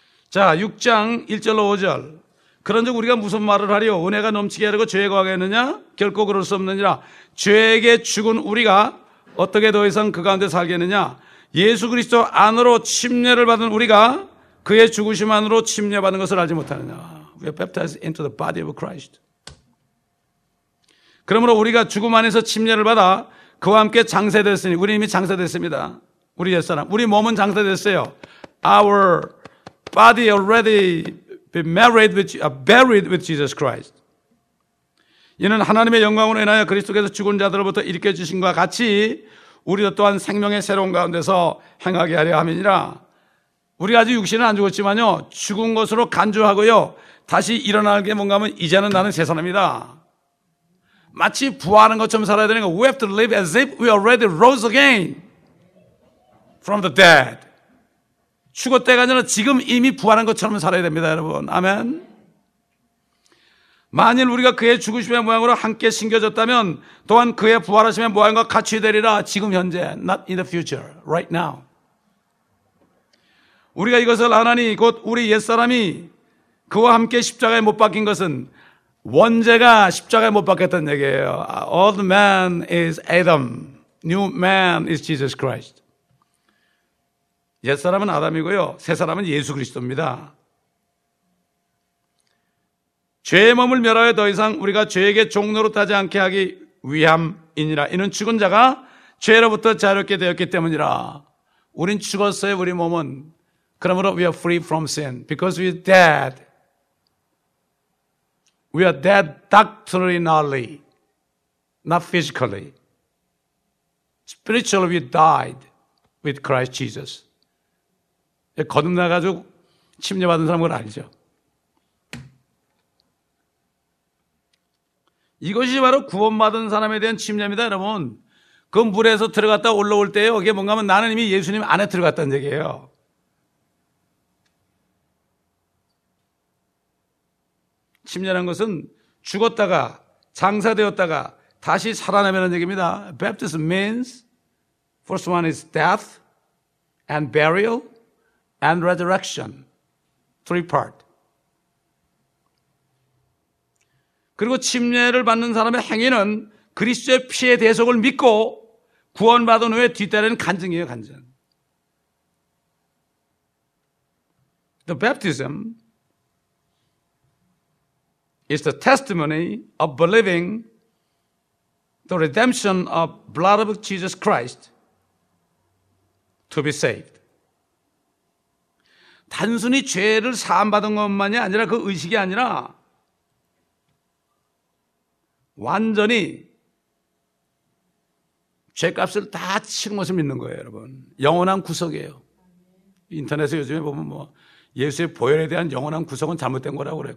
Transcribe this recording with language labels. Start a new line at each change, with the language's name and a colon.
Korean: 자, 6장 1절로 5절. 그런즉 우리가 무슨 말을 하리오? 은혜가 넘치게 하려고 죄에 거하겠느냐? 결코 그럴 수 없느니라. 죄에게 죽은 우리가 어떻게 더 이상 그 가운데 살겠느냐? 예수 그리스도 안으로 침례를 받은 우리가 그의 죽으심 안으로 침례받은 것을 알지 못하느냐?
English: We are baptized into the body of Christ.
Korean: 그러므로 우리가 죽음 안에서 침례를 받아 그와 함께 장사됐으니 우리 이미 장사됐습니다. 우리 옛사람. 우리 몸은 장사됐어요.
English: Our body already been married with, buried with Jesus Christ.
Korean: 이는 하나님의 영광으로 인하여 그리스도께서 죽은 자들로부터 일으켜 주신 것과 같이 우리도 또한 생명의 새로운 가운데서 행하게 하려 함이니라. 우리가 아직 육신은 안 죽었지만요. 죽은 것으로 간주하고요. 다시 일어날 게 뭔가 하면 이제는 나는 새 사람이다.
English: 마치 부활하는 것처럼 살아야 되는 거. We have to live as if we already rose again from the dead.
Korean: 죽었대가 아니라 지금 이미 부활한 것처럼 살아야 됩니다, 여러분. 아멘. 만일 우리가 그의 죽으심의 모양으로 함께 신겨졌다면 또한 그의 부활하심의 모양과 같이 되리라.
English: 지금 현재, not in the future, right now.
Korean: 우리가 이것을 아나니 곧 우리 옛사람이 그와 함께 십자가에 못 박힌 것은 원죄가 십자가에 못 박혔다는 얘기예요.
English: Old man is Adam. New man is Jesus Christ.
Korean: 옛사람은 아담이고요. 새사람은 예수 그리스도입니다. 죄의 몸을 멸하여 더 이상 우리가 죄에게 종로로 타지 않게 하기 위함이니라. 이는 죽은 자가 죄로부터 자유롭게 되었기 때문이라. 우린 죽었어요. 우리 몸은.
English: 그러므로 we are free from sin. Because we are dead. We are dead doctrinally, not physically. Spiritually, we died with Christ Jesus.
Korean: 거듭나가지고 침례받은 사람 그걸 알죠. 이것이 바로 구원받은 사람에 대한 침례입니다, 여러분. 그 물에서 들어갔다 올라올 때요, 그게 뭔가 하면 나는 이미 예수님 안에 들어갔다는 얘기예요. 침례란 것은 죽었다가 장사되었다가 다시 살아나면 얘기입니다.
English: Baptism means first one is death and burial and resurrection. Three part.
Korean: 그리고 침례를 받는 사람의 행위는 그리스도의 피의 대속을 믿고 구원받은 후에 뒤따르는 간증이에요. 간증.
English: The baptism is the testimony of believing the redemption of blood of Jesus Christ to be saved.
Korean: 단순히 죄를 사함받은 것만이 아니라 그 의식이 아니라 완전히 죄값을 다 치른 것을 믿는 거예요, 여러분. 영원한 구속이에요. 인터넷에 요즘에 보면 뭐 예수의 보혈에 대한 영원한 구속은 잘못된 거라고 그래요.